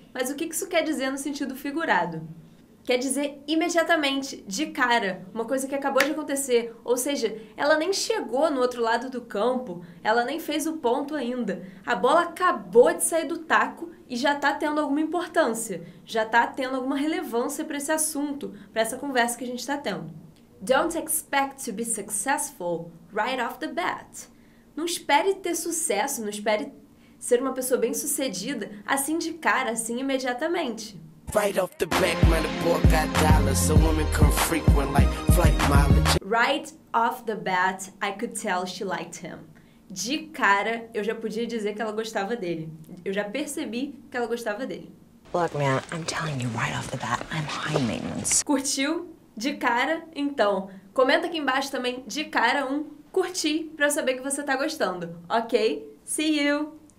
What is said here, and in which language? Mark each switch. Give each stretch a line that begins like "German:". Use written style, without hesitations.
Portuguese: Mas o que isso quer dizer no sentido figurado? Quer dizer imediatamente, de cara, uma coisa que acabou de acontecer. Ou seja, ela nem chegou no outro lado do campo, ela nem fez o ponto ainda. A bola acabou de sair do taco e já está tendo alguma importância, já está tendo alguma relevância para esse assunto, para essa conversa que a gente está tendo.
English: Don't expect to be successful right off the bat.
Portuguese: Não espere ter sucesso, não espere ser uma pessoa bem-sucedida assim de cara, assim imediatamente.
English: Right off the bat, man, the boy got dollars. A woman come frequent like flight mileage. Right off the bat, I could tell she liked him.
Portuguese: De cara, eu já podia dizer que ela gostava dele. Eu já percebi que ela gostava dele.
English: Look, man, I'm telling you right off the bat, I'm high maintenance.
Portuguese: Curtiu? De cara? Então, comenta aqui embaixo também, de cara, um curti, pra eu saber que você tá gostando. Ok?
English: See you!